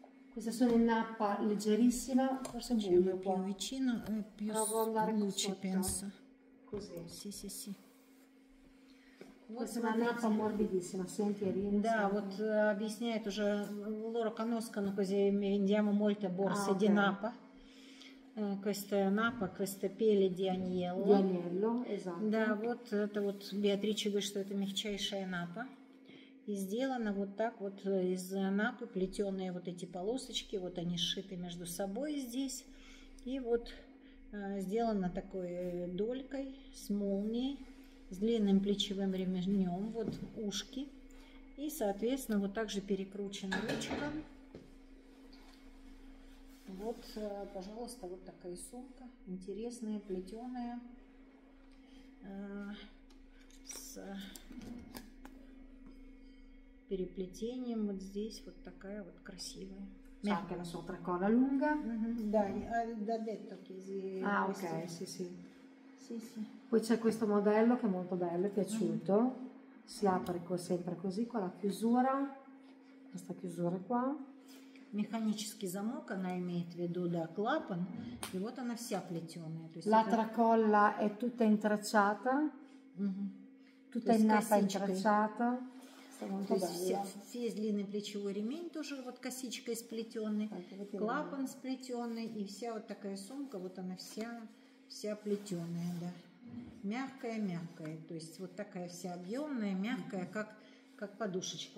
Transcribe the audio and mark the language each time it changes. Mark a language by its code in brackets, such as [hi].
[it] Queste sono in nappa leggerissima, forse un buio più vicino, più luce, penso. Così. Sì, sì, sì. Questa è una nappa morbidissima, senti, rinza. [ru] Да, вот объясняет уже Лора Коноскану, [it] così vendiamo molte borse di nappa. Questa è nappa, questa pelle di agnello. Di agnello, esatto. [ru] Да, вот это вот Беатриче говорит, что это мягчайшая нappa. И сделано вот так вот из напы, плетеные вот эти полосочки, вот они сшиты между собой здесь. И вот сделано такой долькой с молнией, с длинным плечевым ремнем, вот ушки. И, соответственно, вот так же перекручен ручком. Вот, пожалуйста, вот такая сумка, интересная, плетеная. С переплетением вот здесь вот такая вот красивая. [it] Anche la sopra cola lunga. Да, detto che si. Ah, ok, sì, sì. Sì, sì. Poi c'è questo modello che è molto bello, è piaciuto. Si apre sempre così con la chiusura. Questa chiusura qua. [ru] Механический замок, она имеет в виду, да, клапан. И вот она вся плетеная. [it] La tracolla è tutta intrecciata. Tutta in nappa intrecciata. [ru] То есть весь длинный плечевой ремень тоже вот косичкой сплетенный, клапан сплетенный, и вся вот такая сумка, вот она вся плетеная, да. Мягкая-мягкая, то есть вот такая вся объемная, мягкая, как подушечка.